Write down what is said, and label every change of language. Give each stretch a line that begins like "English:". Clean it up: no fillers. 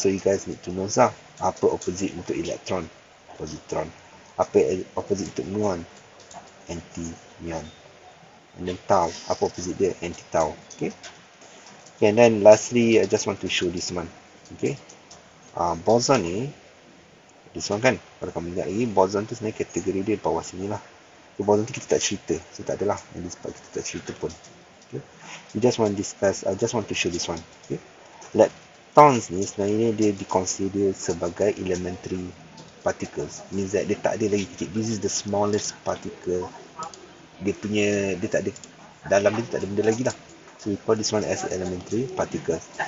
English: So you guys need to know lah,
Malay: apa opposite untuk electron, positron. Apa opposite untuk muon, anti muon.
English: And then
Malay: tau, apa opposite dia, anti tau. Okay.
English: And then lastly, I just want to show this one. Okay. Boson ni, this one kan.
Malay: Kalau kamu ingat lagi, boson tu sebenarnya kategori dia bawah sini lah. Okay, boson tu kita tak cerita, so tak adalah.
English: And this part
Malay: kita tak cerita pun. Okay.
English: We just want to discuss, I just want to show this one. Okay.
Malay: Leptons ni sebenarnya dia diconsider sebagai elementary particles.
English: Means that
Malay: dia tak ada lagi kecil.
English: This is the smallest particle.
Malay: Dia punya, dia tak ada, dalam dia tak ada benda lagi lah.
English: So we call this one as elementary particles.